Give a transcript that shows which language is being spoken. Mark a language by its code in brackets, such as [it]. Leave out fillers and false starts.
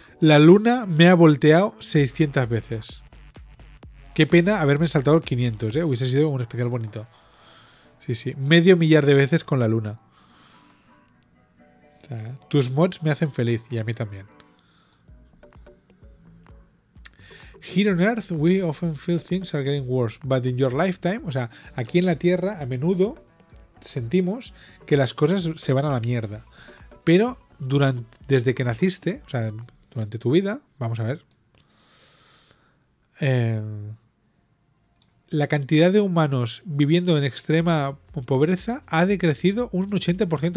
[es] La luna me ha volteado 600 veces. Qué pena haberme saltado 500, ¿eh? Hubiese sido un especial bonito. Sí, sí. Medio millar de veces con la luna. O sea, tus mods me hacen feliz y a mí también. [en] Here on Earth, we often feel things are getting worse. But in your lifetime, [es] o sea, aquí en la Tierra, a menudo sentimos que las cosas se van a la mierda. Pero desde que naciste, o sea, durante tu vida, vamos a ver, la cantidad de humanos viviendo en extrema pobreza ha decrecido un 80%.